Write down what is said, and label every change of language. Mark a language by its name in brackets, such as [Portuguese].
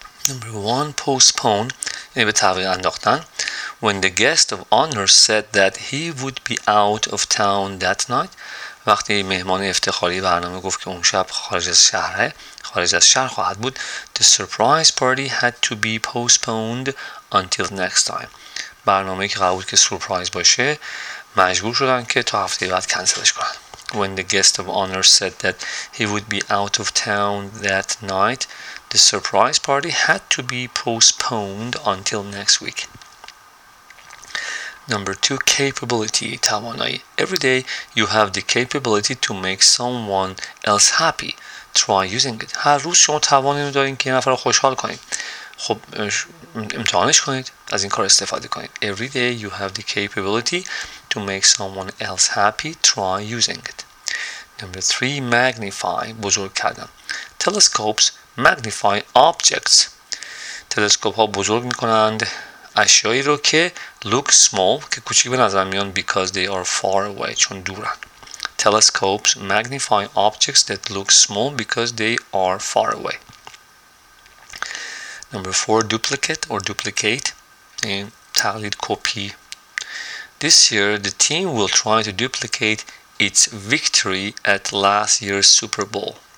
[English] Number one, postpone, [Persian] یعنی به تعویق انداختن. [English] When the guest of honor said that he would be out of town that night, [Persian] وقتی مهمان افتخاری برنامه گفت که اون شب خارج از شهر خواهد بود, [English] the surprise party had to be postponed until next time. [Persian] برنامه که قرار بود که سورپرایز باشه مجبور شدن که تا هفته بعد کنسلش کنن. [English] When the guest of honor said that he would be out of town that night, the surprise party had to be postponed until next week. Number two, capability, توانایی. Every day you have the capability to make someone else happy. Try using it. [Persian] هر روز شما توانایی رو دارین که یه نفر رو خوشحال کنید. خب امتحانش کنید. از این کار استفاده کنید. [English] Every day you have the capability to make someone else happy. Try using it. Number three, magnify, [Persian] بزرگ کردن. [English] Telescopes magnify objects. [Persian] تلسکوپ ها بزرگ میکنند اشیایی رو که [English] look small, [Persian] که کوچیک به نظر میان, [English] because they are far away, [Persian] چون دورند. [English] Telescopes magnify objects that look small because they are far away. Number four, duplicate or duplicate. [Persian] این تقلید کپی. [English] This year the team will try to duplicate its victory at last year's Super Bowl.